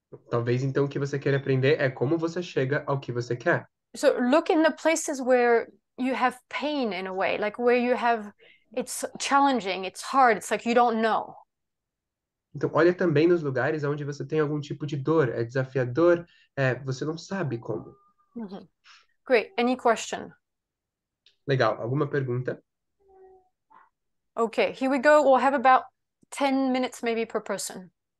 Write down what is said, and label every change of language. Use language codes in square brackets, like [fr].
[pt] Talvez, então, o que você quer aprender é como você chega ao que você quer. [en] So, look in the places where you have pain in a way, like where you have, it's challenging, it's hard, it's like you don't know. [pt] Então, olha também nos lugares onde você tem algum tipo de dor, é desafiador, é, você não sabe como. [en] Great, any question? [pt] Legal, alguma pergunta? [en] Okay, here we go, we'll have about 10 minutes maybe per person.